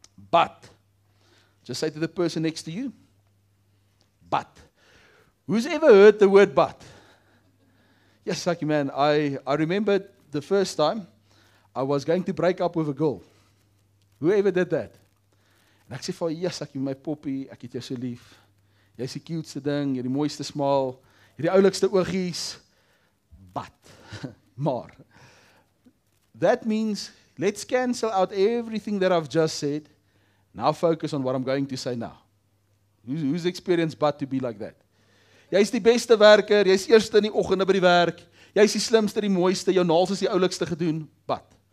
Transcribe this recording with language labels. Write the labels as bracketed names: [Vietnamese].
[English] But, just say to the person next to you, but. Who's ever heard the word but? Yes, lucky man, I remember the first time I was going to break up with a girl. Whoever did that? And I said, yes, I can my poppy, I can just leave. [Afrikaans] Jy's die cutest ding, jy die mooiste smaal, jy die oulikste oogies. [English] But, maar. That means, let's cancel out everything that I've just said. Now focus on what I'm going to say now. Who's experienced but to be like that? [Afrikaans] Jy's die beste werker, jy's eerste in die oggende by die werk, jy's die slimste, die mooiste, jou naels is die oulikste gedoen, but.